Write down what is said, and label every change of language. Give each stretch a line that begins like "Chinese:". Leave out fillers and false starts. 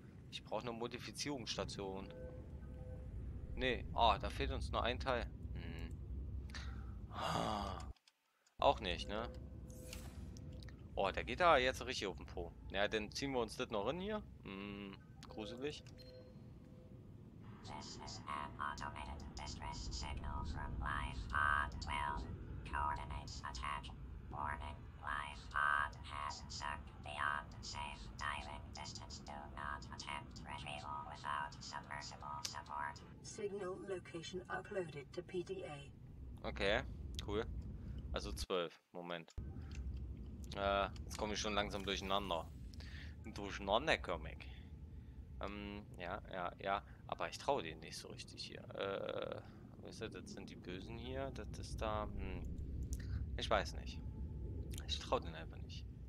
German: Ich brauche eine Modifizierungsstation. Nee, oh, da fehlt uns nur ein Teil. Hm. Auch nicht, ne? Oh, der geht da jetzt richtig auf den Po. Na, ja, dann ziehen wir uns das noch in hier. Hm, gruselig.
English: This is an automated distress signal from Life Pod 12. Coordinates attached. Warning, Life Pod has sunk beyond safe diving distance. Do not attempt retrieval without submersible support. Signal location uploaded to PDA.
German: Okay, cool. Also 12, Moment. Jetzt komme ich schon langsam durcheinander. Durcheinander komme ich. Ja, ja, ja. Aber ich traue denen nicht so richtig hier. Weißt du, das sind die Bösen hier. Das ist da. Ich weiß nicht. Ich traue denen einfach nicht.